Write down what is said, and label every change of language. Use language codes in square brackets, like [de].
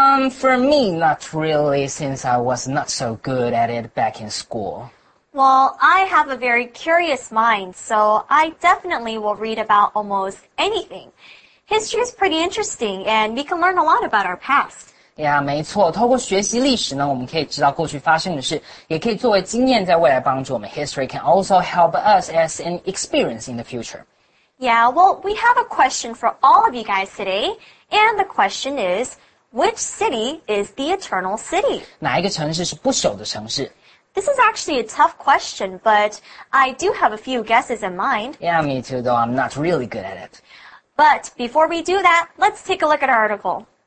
[en] For me, not really, since I was not so good at it back in school. Well, I have a very curious mind, so I definitely will read about almost anything. History is pretty interesting, and we can learn a lot about our past. [zh] Yeah, 没错，透过学习历史呢，我们可以知道过去发生的事，也可以作为经验在未来帮助我们。 [en] History can also help us as an experience in the future. Yeah, well, we have a question for all of you guys today, and the question is,Which city is the Eternal City? [zh] 哪一个城市是不朽的城市? [en] This is actually a tough question, but I do have a few guesses in mind. Yeah, me too, though I'm not really good at it. But before we do that, let's take a look at our article.